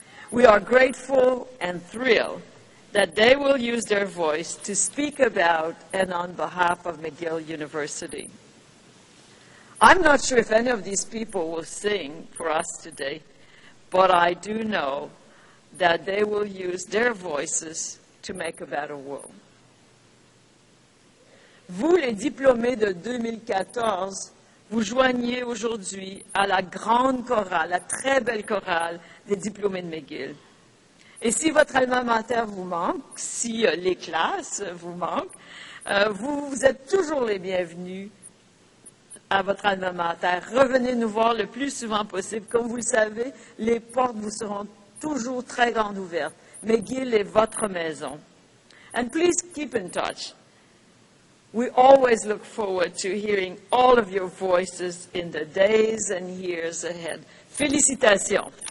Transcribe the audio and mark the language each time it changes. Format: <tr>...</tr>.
<en>We are grateful and thrilled that they will use their voice to speak about and on behalf of McGill University. I'm not sure if any of these people will sing for us today, but I do know that they will use their voices to make a better world.</en> <fr>Vous, les diplômés de 2014, vous joignez aujourd'hui à la grande chorale, la très belle chorale des diplômés de McGill. Et si votre alma mater vous manque, si les classes vous manquent, vous êtes toujours les bienvenus à votre alma mater. Revenez nous voir le plus souvent possible. Comme vous le savez, les portes vous seront toujours très grandes ouvertes. McGill est votre maison.</fr> <en>And please keep in touch. We always look forward to hearing all of your voices in the days and years ahead.</en> <fr>Félicitations.</fr>